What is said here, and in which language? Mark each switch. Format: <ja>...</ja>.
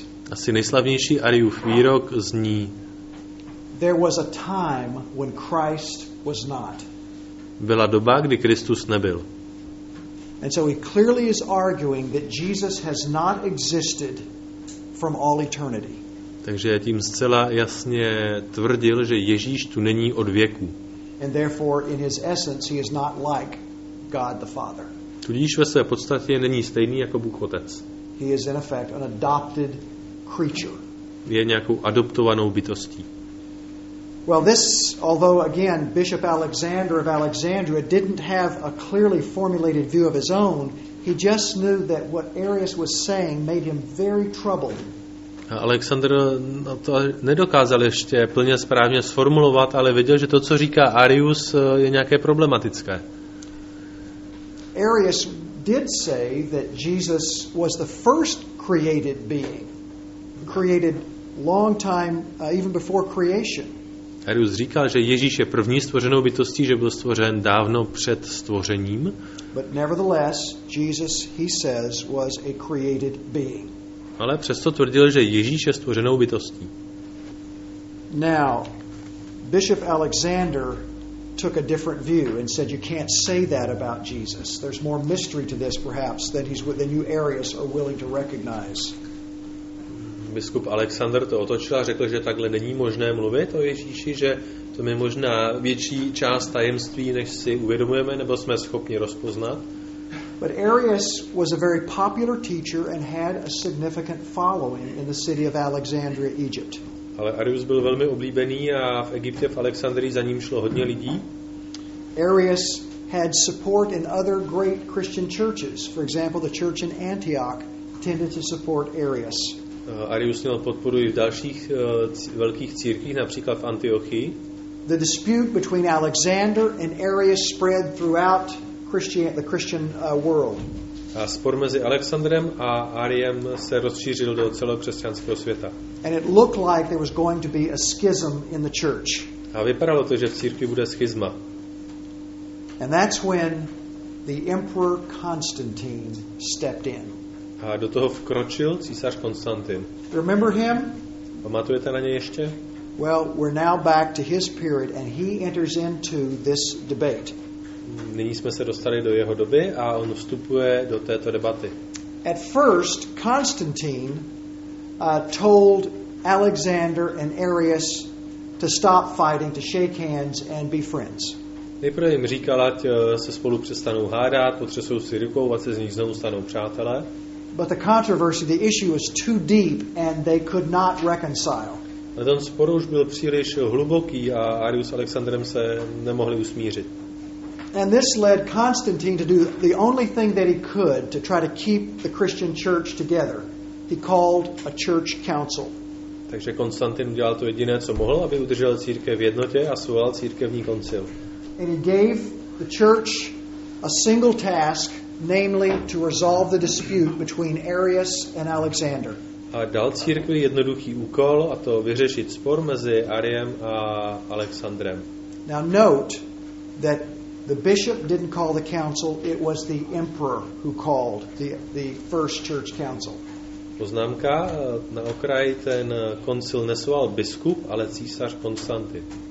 <cs>Asi nejslavnější Ariův výrok zní:</cs> <en>There was a time when Christ was not.</en> <cs>Byla doba, kdy Kristus nebyl.</cs> <en>And so he clearly is arguing that Jesus has not existed from all eternity.</en> <cs>Takže tím zcela jasně tvrdil, že Ježíš tu není od věku.</cs> <en>And therefore in his essence he is not like God the Father.</en> <cs>Tudíž ve své podstatě není stejný jako Bůh Otec.</cs> <en>He is in effect an adopted creature.</en> <cs>Je nějakou adoptovanou bytostí.</cs> <en>Well, this, although again Bishop Alexander of Alexandria didn't have a clearly formulated view of his own, he just knew that what Arius was saying made him very troubled.</en> <cs>Alexander to nedokázal ještě plně správně sformulovat, ale věděl, že to, co říká Arius, je nějaké problematické.</cs> <en>Arius did say that Jesus was the first created being, created long time even before creation.</en> <cs>Arius říkal, že Ježíš je první stvořenou bytostí, že byl stvořen dávno před stvořením.</cs> <en>But nevertheless, Jesus, he says, was a created being.</en> <cs>Ale přesto tvrdil, že Ježíš je stvořenou bytostí.</cs> <en>Now, Bishop Alexander took a different view and said you can't say that about Jesus. There's more mystery to this perhaps than you Arius are willing to recognize.</en> <cs>Biskup Alexander to otočil a řekl, že takhle není možné mluvit o Ježíši, že to je možná větší část tajemství, než si uvědomujeme nebo jsme schopni rozpoznat.</cs> <en>But Arius was a very popular teacher and had a significant following in the city of Alexandria, Egypt.</en> <cs>Ale Arius byl velmi oblíbený a v Egyptě, v Alexandrii, za ním šlo hodně lidí.</cs> <en>Arius had support in other great Christian churches. For example, the church in Antioch tended to support Arius.</en> <cs>Arius měl podporu i v dalších velkých církvích, například v Antiochii.</cs> <en>The dispute between Alexander and Arius spread throughout the Christian world.</en> <cs>A spor mezi Alexandrem a Ariem se rozšířil do celého křesťanského světa.</cs> <en>And it looked like there was going to be a schism in the church.</en> <cs>A vypadalo to, že v církvi bude schizma.</cs> <en>And that's when the emperor Constantine stepped in.</en> <cs>A do toho vkročil císař Konstantin.</cs> <en>Remember him?</en> <cs>Pamatujete na něj ještě?</cs> <en>Well, we're now back to his period and he enters into this debate.</en> <cs>Nyní jsme se dostali do jeho doby a on vstupuje do této debaty.</cs> <en>At first, Constantine told Alexander and Arius to stop fighting, to shake hands and be friends.</en> <cs>Nejprve jim říkal, ať se spolu přestanou hádat, potřesou si rukou, ať se z nich znovu stanou přátelé.</cs> <en>But the controversy, the issue was too deep and they could not reconcile.</en> <cs>A ten spor už byl příliš hluboký a Arius s Alexandrem se nemohli usmířit.</cs> <en>And this led Constantine to do the only thing that he could to try to keep the Christian church together. He called a church council.</en> <cs>Takže Konstantin udělal to jediné, co mohl, aby udržel církev v jednotě, a svolal církevní koncil.</cs> <en>And he gave the church a single task, namely to resolve the dispute between Arius and Alexander.</en> <cs>A dal církvi jednoduchý úkol, a to vyřešit spor mezi Ariem a Alexandrem.</cs> <en>Now note that the bishop didn't call the council, it was the emperor who called the first church council.</en> <cs>Poznámka na okraj, ten koncil nesoval biskup, ale císař Konstantin.</cs>